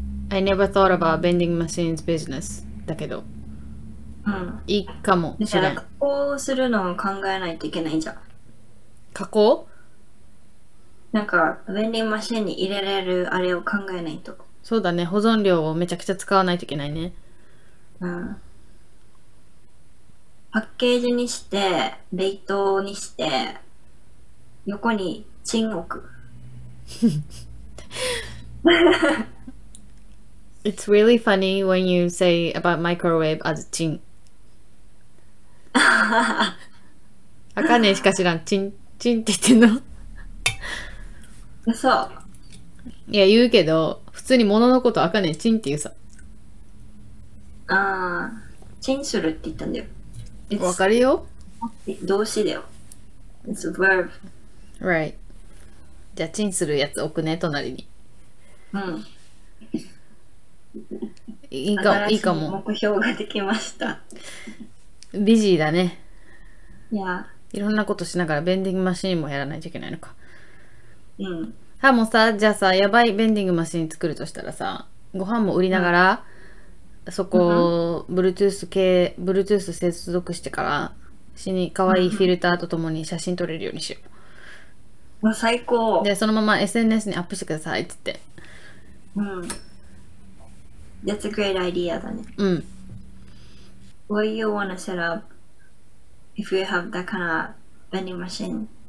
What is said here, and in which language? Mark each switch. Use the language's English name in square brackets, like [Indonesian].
[English] I never thought about vending machines business [Japanese] だけど。うん。いいかもしれん。加工するのを考えないといけないじゃん。加工？なんか、vending machine に入れれるあれを考えないと。そうだね。保存料をめちゃくちゃ使わないといけないね。うん。パッケージにして、冷凍にして、横にチン置く。 [English] It's really funny when you say about microwave as チン。 [Japanese] あかねしか知らん。チン、チンって言ってんの。そう。いや、言うけど、普通に物のことあかねチンって言うさ。あー、チンするって言ったんだよ。わかるよ。動詞だよ。 [English] It's a verb. Right. [Japanese] じゃあチンするやつ置くね、隣に。うん。いいかも、いいかも。新しい目標ができました。ビジーだね。いや。いろんなことしながら、ベンディングマシーンもやらないといけないのか。うん。はもさ、じゃあさ、やばいベンディングマシーン作るとしたらさ、ご飯も売りながら、うん、そこを、Bluetooth 系、Bluetooth 接続してから、死に可愛いフィルターとともに写真撮れるようにしよう。最高。で、そのまま SNS にアップしてくださいって言って。うん。 [English] That's a great idea だね。 [Japanese] うん。 [English] What do you want to set up if you have that kind of vending machine?